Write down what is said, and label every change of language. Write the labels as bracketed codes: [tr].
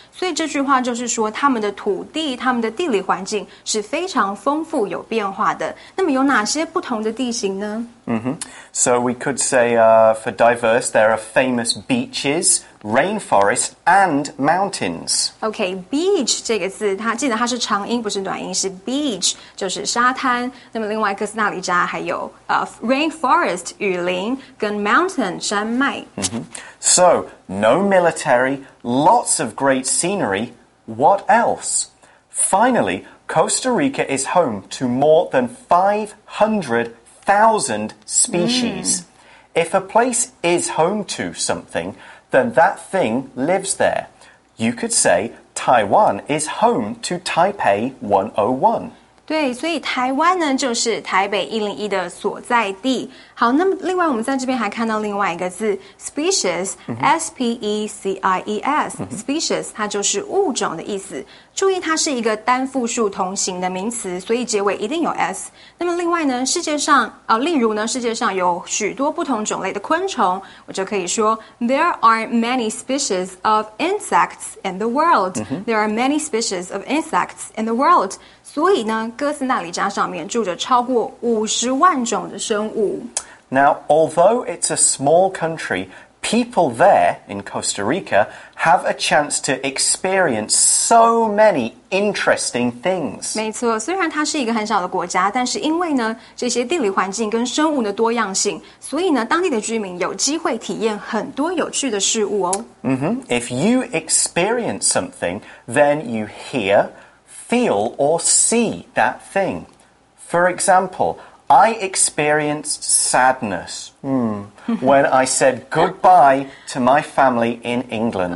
[zh] 所以这句话就是说，他们的土地，他们的地理环境是非常丰富有变化的。那么有哪些不同的地形呢？ [en] So we could say, for diverse, there are famous beaches, rainforests, and mountains. [zh] Okay, beach 这个字，它记得它是长音，不是短音，是 beach, 就是沙滩。那么另外哥斯达黎加还有rainforest 雨林跟 mountain 山脉。 [en] So no military, lots of great scenery. What else? Finally, Costa Rica is home to more than 500,000 species. If a place is home to something, then that thing lives there. You could say Taiwan is home to Taipei 101. [zh] 对，所以台湾呢就是台北101的所在地。好，那么另外我们在这边还看到另外一个字 species, S-P-E-C-I-E-S, species, 它就是物种的意思。注意它是一个单复数同形的名词，所以结尾一定有 S。那么另外呢，世界上例如呢，世界上有许多不同种类的昆虫，我就可以说 [en] There are many species of insects in the world. There are many species of insects in the world. [zh] 所以呢，哥斯达黎加上面住着超过500,000种的生物。 [en] Now, although it's a small country, people there in Costa Rica have a chance to experience so many interesting things. [zh] 没错，虽然它是一个很小的国家，但是因为呢这些地理环境跟生物的多样性，所以呢当地的居民有机会体验很多有趣的事物哦。 [en] If you experience something, then you hear, feel, or see that thing. For example,I experienced sadness when I said goodbye to my family in England.